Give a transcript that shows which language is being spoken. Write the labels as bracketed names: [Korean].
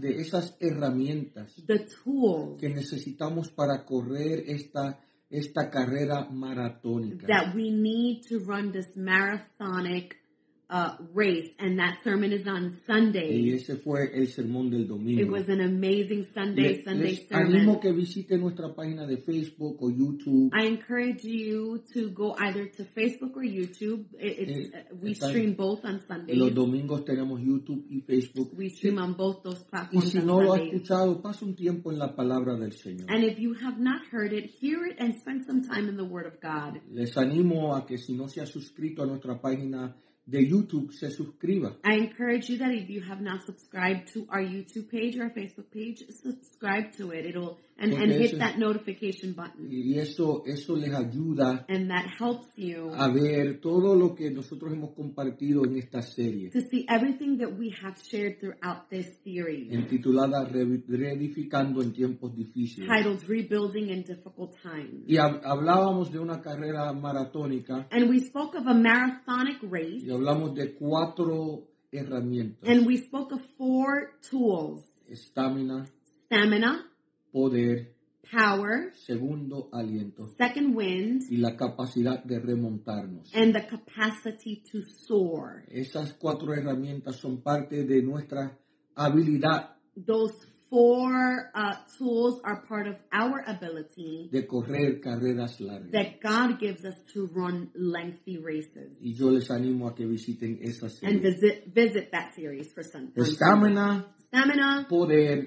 [Spanish] de esas herramientas, [English] the tools [Spanish] que necesitamos para correr esta carrera maratónica, [English] that we need to run this marathonic race, and that sermon is on Sunday. [Spanish] Y ese fue el sermón del domingo. [English] It was an amazing Sunday [Spanish] les [English] sermon. [Spanish] Animo que visite nuestra página de Facebook o YouTube. [English] I encourage you to go either to Facebook or YouTube. We stream both on Sundays. [Spanish] Los domingos tenemos YouTube y Facebook. [English] We stream on both those platforms. [Spanish] Y si [English] on [Spanish] no [English] Sundays. [Spanish] Lo ha escuchado, pase un tiempo en la palabra del Señor. [English] And if you have not heard it, hear it and spend some time in the Word of God. [Spanish] Les animo a que si no se ha suscrito a nuestra página de YouTube, se suscriba. [English] I encourage you that if you have not subscribed to our YouTube page or our Facebook page, subscribe to it. It'll and hit that notification button. [Spanish] Y eso les ayuda. [English] And that helps you. [Spanish] A ver todo lo que nosotros hemos compartido en esta serie. [English] To see everything that we have shared throughout this series. [Spanish] Entitulada Reedificando en tiempos difíciles. [English] Titled Rebuilding in Difficult Times. [Spanish] Y hablábamos de una carrera maratónica. [English] And we spoke of a marathonic race. [Spanish] Y hablamos de cuatro herramientas. [English] And we spoke of four tools. [Spanish] Stamina. Poder. [English] Power. [Spanish] Segundo aliento. [English] Second wind. [Spanish] Y la capacidad de remontarnos. [English] And the capacity to soar. [Spanish] Esas cuatro herramientas son parte de nuestra habilidad. [English] Those four tools are part of our ability [Spanish] de correr carreras largas, [English] that God gives us to run lengthy races. [Spanish] Y yo les animo a que visiten esa serie. [English] And visit that series for Sunday. [Spanish] Stamina. Poder.